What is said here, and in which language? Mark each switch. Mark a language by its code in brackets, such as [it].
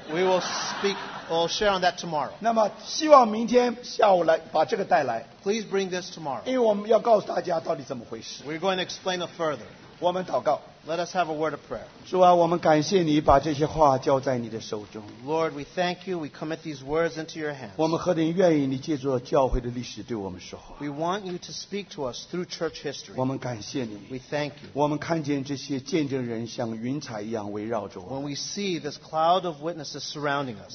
[en] We will speak, we'll share on that tomorrow. [zh] 那么希望明天下午来把这个带来。 [en] Please bring this tomorrow. [zh] 因为我们要告诉大家到底怎么回事。 [en] We're going to explain it further. [zh] 我们祷告。 [en] Let us have a word of prayer. [zh] 主啊, 我们感谢你把这些话交在你的手中。 [en] Lord, we thank you. We commit these words into your hands. [zh] 我们何等愿意你借助教会的历史对我们说话。 [en] We want you to speak to us through church history. [zh] 我们感谢你。 [en] We thank you. [zh] 我们看见这些见证人像云彩一样围绕着我。 [en] When we see this cloud of witnesses surrounding us,